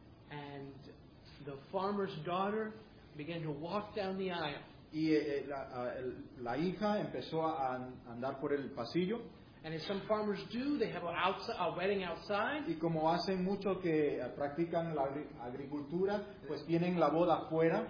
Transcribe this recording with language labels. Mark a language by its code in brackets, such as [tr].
[en] And the farmer's daughter began to walk down the aisle. [es] Y la hija empezó a andar por el pasillo. [en] And as some farmers do, they have a wedding outside. [es] Y como hacen mucho que practican la agricultura, pues tienen la boda afuera.